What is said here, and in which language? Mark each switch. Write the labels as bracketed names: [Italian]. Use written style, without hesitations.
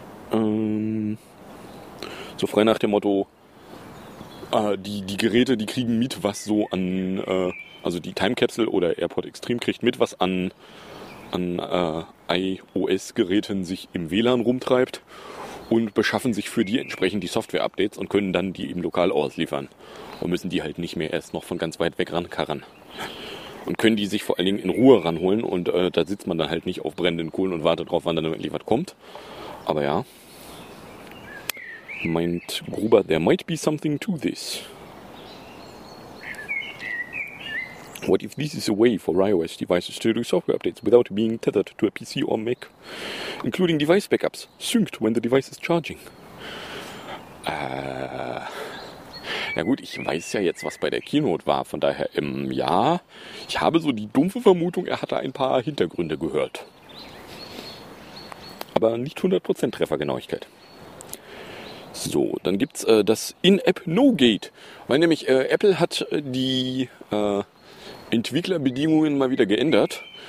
[German] So frei nach dem Motto, die Geräte, die kriegen mit, was so an, also die Time Capsule oder AirPod Extreme kriegt mit, was an iOS-Geräten sich im WLAN rumtreibt und beschaffen sich für die entsprechend die Software-Updates und können dann die eben lokal ausliefern und müssen die halt nicht mehr erst noch von ganz weit weg rankarren. Und können die sich vor allen Dingen in Ruhe ranholen und da sitzt man dann halt nicht auf brennenden Kohlen und wartet drauf, wann dann endlich was kommt. Aber ja, meint Gruber, [English] there might be something to this. What if this is a way for iOS devices to do software updates without being tethered to a PC or Mac, including device backups, synced when the device is charging? [German] Ja gut, ich weiß ja jetzt, was bei der Keynote war, von daher, ja, ich habe so die dumpfe Vermutung, er hatte ein paar Hintergründe gehört. aber nicht 100% Treffergenauigkeit. So, dann gibt's das In-App-No-Gate, weil nämlich Apple hat die Entwicklerbedingungen mal wieder geändert.